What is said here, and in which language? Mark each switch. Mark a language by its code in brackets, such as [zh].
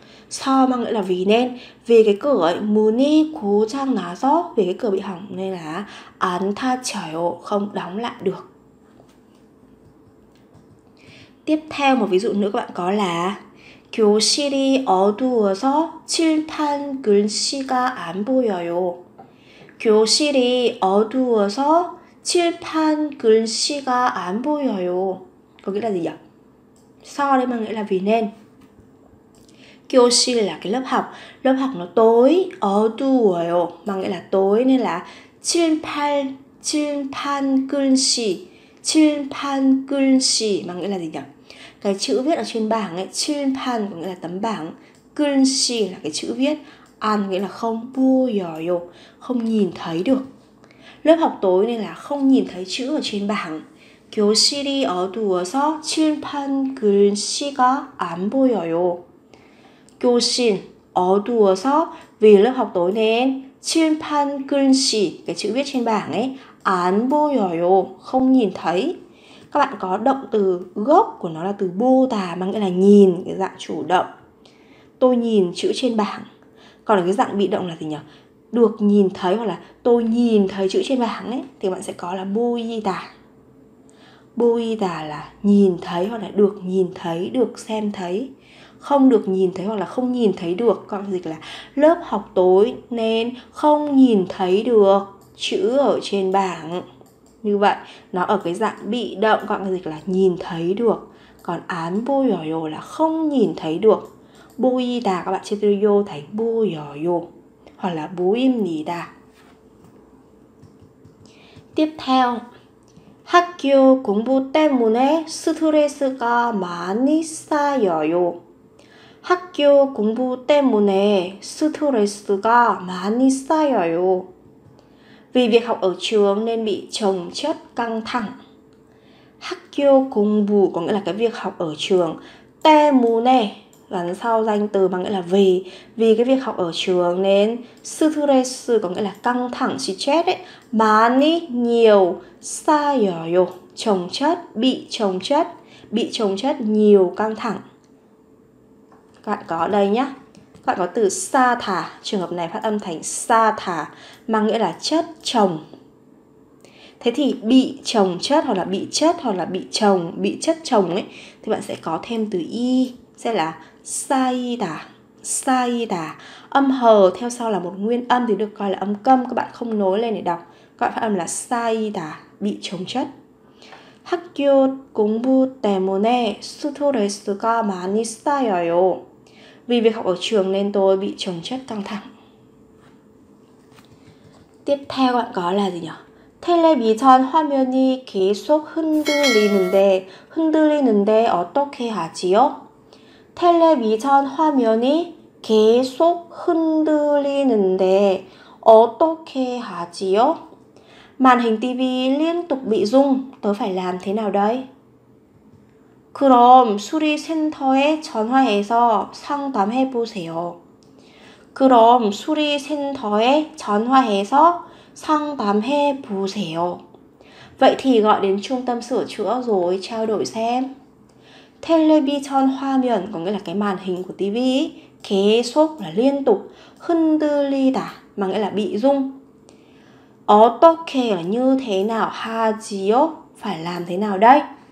[vi] So mà nghĩa là vì nên. Vì cái cửa ấy, [ko] 문이 고장 나서, [vi] vì cái cửa bị hỏng nên là [ko] 안 닫혀요, [vi] không đóng lại được. Tiếp theo một ví dụ nữa các bạn có là [ko] 교실이 어두워서 칠판 글씨가 안 보여요. 교실이 어두워서 칠판 글씨가 안 보여요. [vi] 그 nghĩa là gì nhỉ? So đây mà nghĩa là vì nên. Kyoshi là cái lớp học. Lớp học nó tối, oduoyo mà nghĩa là tối, nên là [ko] 칠판 글씨 [vi] mà nghĩa là gì nhỉ? Cái chữ viết ở trên bảng ấy, 칠판 có nghĩa là tấm bảng, 글씨 là cái chữ viết, an nghĩa là không, 보여요 không nhìn thấy được. Lớp học tối nên là không nhìn thấy chữ ở trên bảng. [ko] 교실이 어두워서 칠판 글씨가 안 보여요. 교실 어두워서 [vi] vì lớp học tối nên trên pan kunshi, cái chữ viết trên bảng ấy, án bô yò yô, không nhìn thấy. Các bạn có động từ gốc của nó là từ bô tà, mang nghĩa là nhìn, cái dạng chủ động. Tôi nhìn chữ trên bảng. Còn cái dạng bị động là gì nhỉ? Được nhìn thấy hoặc là tôi nhìn thấy chữ trên bảng ấy, thì bạn sẽ có là bô y tà. Bô y tà là nhìn thấy hoặc là được nhìn thấy, được xem thấy. Không được nhìn thấy hoặc là không nhìn thấy được, các bạn dịch là lớp học tối nên không nhìn thấy được chữ ở trên bảng. Như vậy, nó ở cái dạng bị động, các bạn dịch là nhìn thấy được. Còn án bô yò yô là không nhìn thấy được. Bô y đà các bạn chia từ yô thành bô yò yô hoặc là bú im nì đà. Tiếp theo, [ko] 학교 공부 때문에 스트레스가 많이 쌓여요. 학교 공부 때문에 스트레스가 많이 쌓여요. [vi] Vì việc học ở trường nên bị chồng chất căng thẳng. [ko] 학교 공부 [vi] có nghĩa là cái việc học ở trường. 때문에 gắn sau danh từ bằng nghĩa là vì. Vì cái việc học ở trường nên 스트레스 có nghĩa là căng thẳng, stress ấy. [ko] 많이 [vi] nhiều [ko] 쌓여요. [vi] Chồng chất, bị chồng chất. Bị chồng chất nhiều căng thẳng. Các bạn có đây nhé, các bạn có từ sa thả, trường hợp này phát âm thành sa thả, mang nghĩa là chất chồng. Thế thì bị chồng chất hoặc là bị chất hoặc là bị chất chồng ấy, thì bạn sẽ có thêm từ y, sẽ là sai đà, sai đà. Âm hờ theo sau là một nguyên âm thì được coi là âm câm, các bạn không nối lên để đọc. Các bạn phát âm là sai đà, bị chồng chất. 학교 공부 때문에 스트레스가 많이 쌓여요. Vì việc học ở trường nên tôi bị chồng chất căng thẳng. Tiếp theo bạn có là gì nhỉ? [ko] 텔레비전 화면이 계속 흔들리는데 흔들리는데 어떻게 하지요? 텔레비전 화면이 계속 흔들리는데 어떻게 하지요? [vi] Màn hình TV liên tục bị rung, tớ phải làm thế nào đây? [ko] 그럼 수리센터에 전화해서 상담해 보세요. 그럼 수리센터에 전화해서 상담해 보세요. [vi] Vậy thì gọi đến trung tâm sửa chữa rồi trao đổi xem. [ko] 텔레비전 화면 [vi] có nghĩa là cái màn hình của TV, 계속 là liên tục, 흔들리다 mà nghĩa là bị rung. 어떻게 là như thế nào, 하지요 phải làm thế nào đây?